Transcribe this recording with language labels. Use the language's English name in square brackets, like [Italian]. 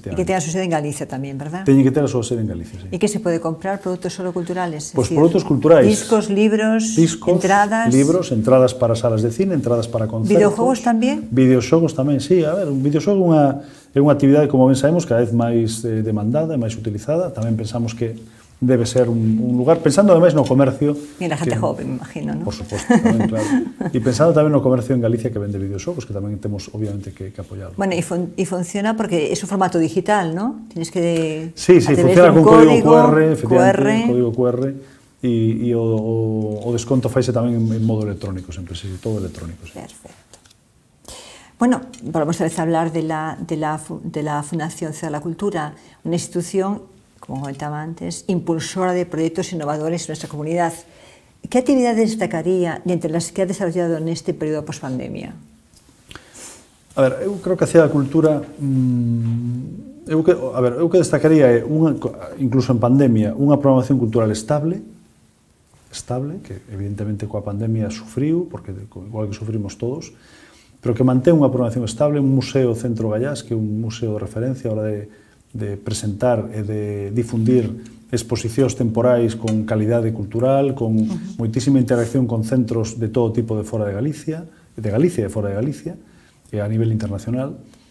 [Galician] E que tenga a súa sede en Galicia tamén, verdad? Teñen que ter a súa sede en Galicia, sí. E que se pode comprar produtos [Spanish] solo culturales? [Galician] Pois produtos culturais. Discos, libros, entradas... Libros, entradas para salas de cine, entradas para concertos... Videojuegos tamén? Videoxogos tamén, sí. A ver, un videoxogo é unha actividade, como ben sabemos, cada vez máis demandada e máis utilizada. Tamén pensamos que debe ser un lugar, pensando ademais no comercio... E na xente joven, me imagino, non? Por suposto, tamén, claro. E pensando tamén no comercio en Galicia que vende videoxogos, que tamén temos, obviamente, que apoiarlo. Bueno, e funciona porque é un formato digital, non? [Spanish] Tienes que... [Galician] Sí, sí, funciona con código QR, efectivamente, código QR, e o desconto faise tamén en modo electrónico, sempre, sí, todo electrónico. [Spanish] Perfecto. Bueno, volvemos a hablar de la Fundación Ciudad de la Cultura, [Galician] unha institución... [Spanish] como comentaba antes, impulsora de proyectos innovadores en nuestra comunidad. ¿Qué actividades destacaría de entre las que ha desarrollado en este periodo post-pandemia? [Galician] A ver, eu creo que a Cidade da Cultura... eu que destacaría, incluso en pandemia, unha programación cultural estable, que evidentemente coa pandemia sufriu, porque igual que sufrimos todos, pero que mantén unha programación estable, un museo Centro Gallás, que é un museo de referencia, ahora de presentar e de difundir exposicións temporais con calidade cultural, con moitísima interacción con centros de todo tipo de fora de Galicia, de Galicia e fora de Galicia, e a nivel internacional.